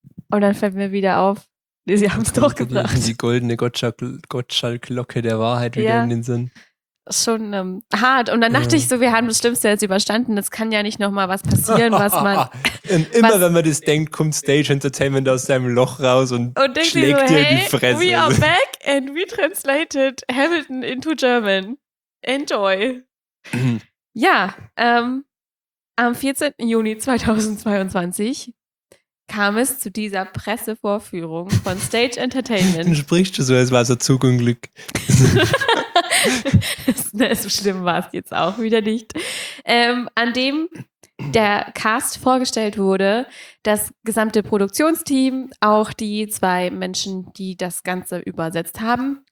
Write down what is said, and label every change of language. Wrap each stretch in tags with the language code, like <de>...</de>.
<de>Und dann fällt mir wieder auf, nee, sie haben es doch gebracht. Die goldene Gottschalk-Glocke der Wahrheit wieder in den Sinn. Schon hart. Und dann dachte ich so, wir haben das Schlimmste jetzt überstanden. Das kann ja nicht nochmal was passieren, was man... wenn man das denkt, kommt Stage Entertainment aus seinem Loch raus und schlägt so, dir hey, die Fresse.</de> <en>We are back and we translated Hamilton into German. Enjoy.</en> <de>Ja, am 14. Juni 2022 kam es zu dieser Pressevorführung von Stage Entertainment. Dann sprichst du so, als war es ein Zugunglück. So schlimm war es jetzt auch wieder nicht. An dem der Cast vorgestellt wurde, das gesamte Produktionsteam, auch die 2 Menschen, die das Ganze übersetzt haben.</de>